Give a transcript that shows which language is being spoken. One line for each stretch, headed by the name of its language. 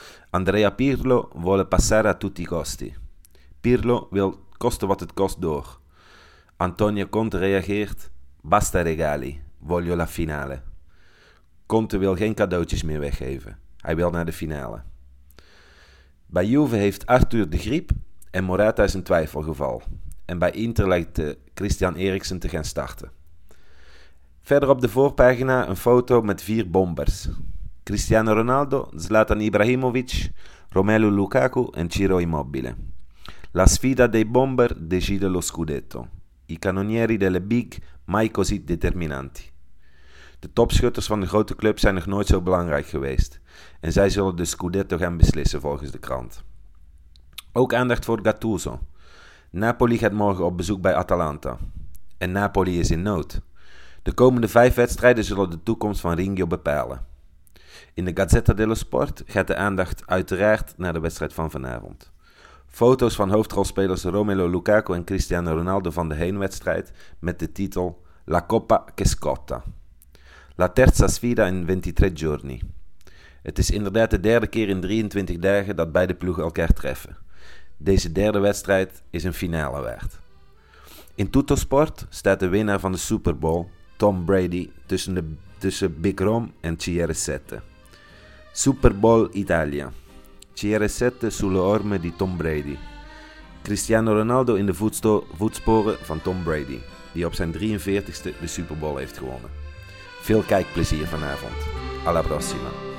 Italian: Andrea Pirlo vuole passare a tutti i costi.
Dutch: Pirlo wil koste wat het kost door. Antonio Conte reageert
Italian: Basta regali, voglio la finale.
Dutch: Conte wil geen cadeautjes meer weggeven. Hij wil naar de finale. Bij Juve heeft Arthur de griep en Morata is een twijfelgeval. En bij Inter lijkt Christian Eriksen te gaan starten. Verder op de voorpagina een foto met 4 bombers. Cristiano Ronaldo, Zlatan Ibrahimovic, Romelu Lukaku en Ciro Immobile.
Italian: La sfida dei bomber decide lo scudetto. I canonieri delle big mai così determinanti.
Dutch: De topschutters van de grote club zijn nog nooit zo belangrijk geweest. En zij zullen de Scudetto gaan beslissen volgens de krant. Ook aandacht voor Gattuso. Napoli gaat morgen op bezoek bij Atalanta. En Napoli is in nood. De komende 5 wedstrijden zullen de toekomst van Ringio bepalen. In de Gazzetta dello Sport gaat de aandacht uiteraard naar de wedstrijd van vanavond. Foto's van hoofdrolspelers Romelu Lukaku en Cristiano Ronaldo van de heenwedstrijd met de titel
Italian: La Coppa che scotta. La terza sfida in 23 giorni.
Dutch: Het is inderdaad de 3e keer in 23 dagen dat beide ploegen elkaar treffen. Deze 3e wedstrijd is een finale waard. In Tutto Sport staat de winnaar van de Super Bowl, Tom Brady, tussen Big Rom en CR7.
Italian: Super Bowl Italia. CR7 sulle orme di Tom Brady.
Dutch: Cristiano Ronaldo in de voetsporen van Tom Brady, die op zijn 43e de Super Bowl heeft gewonnen. Veel kijkplezier vanavond.
Italian: Alla prossima.